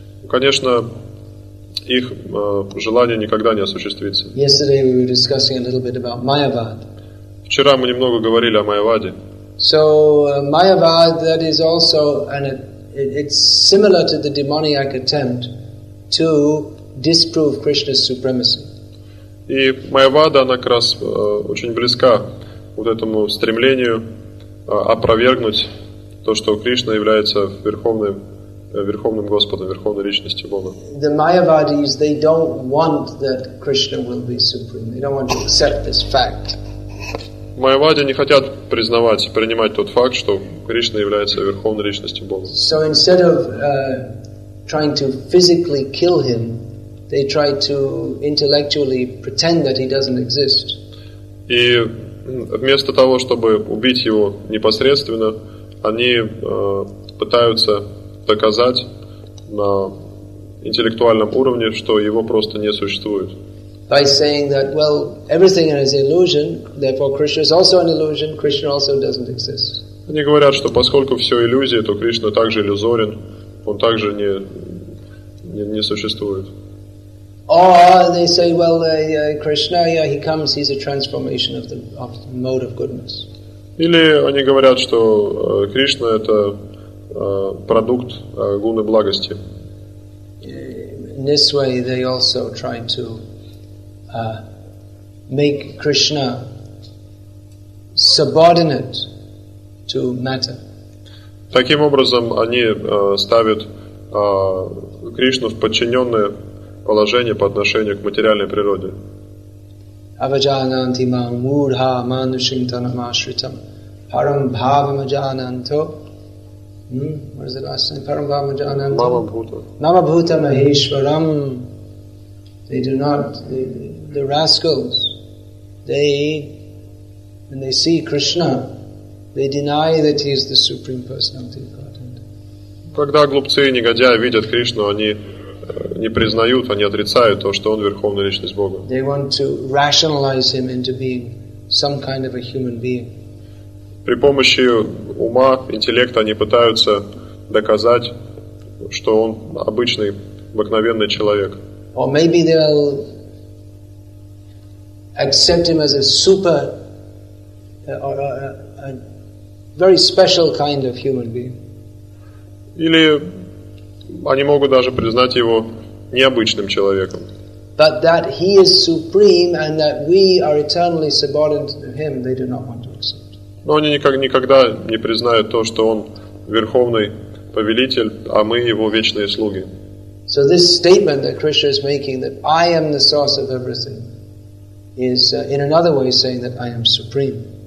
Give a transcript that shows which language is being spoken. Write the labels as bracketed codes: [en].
[ru] Конечно, их желание никогда не осуществится. [en] Yesterday we were discussing a little bit about Mayavad. [ru] Вчера мы немного говорили о Майяваде. [en] So Mayavad, that is also it's similar to the demoniac attempt to disprove Krishna's supremacy. [ru] И Майявада, она как раз очень близка вот этому стремлению опровергнуть то, что Кришна является верховным Господом, верховной личностью Бога. [en] The Mayavadis, they don't want that Krishna will be supreme. They don't want to accept this fact. [ru] Майявади не хотят признавать, принимать тот факт, что Кришна является верховной личностью Бога. [en] So instead of trying to physically kill him, they try to intellectually pretend that he doesn't exist. [ru] И вместо того, чтобы убить его непосредственно, они пытаются доказать на интеллектуальном уровне, что его просто не существует. [en] By saying that, well, everything is illusion, therefore Krishna is also an illusion, Krishna also doesn't exist. [ru] Они говорят, что поскольку все иллюзия, то Кришна также иллюзорен, он также не существует. [en] Or they say, well, Krishna, yeah, he comes, he's a transformation of the mode of goodness. [ru] Или они говорят, что Кришна это продукт гуны благости. [en] In this way, they also try to make Krishna subordinate to matter. [ru] Таким образом, они ставят Кришну в подчиненное положение по отношению к материальной природе. [sa] Avajananti mam mudha manushim tanam ashritam param bhavam ajananto. [en] What is the last name? [sa] Param bhavam ajananto. Mama bhuta maheshwaram. [en] They do not, the rascals, when they see Krishna, they deny that he is the Supreme Personality of Godhead. [ru] Когда глупцы и негодяи видят Кришну, они не признают, они отрицают то, что он верховная личность Бога. [en] They want to rationalize him into being some kind of a human being. [ru] При помощи ума, интеллекта они пытаются доказать, что он обычный, обыкновенный человек. [en] Or maybe they'll accept him as a super or a very special kind of human being. [ru] Или они могут даже признать его необычным человеком. [en] But that he is supreme and that we are eternally subordinate to him, they do not want to accept. [ru] Но они никогда не признают то, что он верховный повелитель, а мы его вечные слуги. [en] So this statement that Krishna is making, that I am the source of everything, is in another way saying that I am supreme.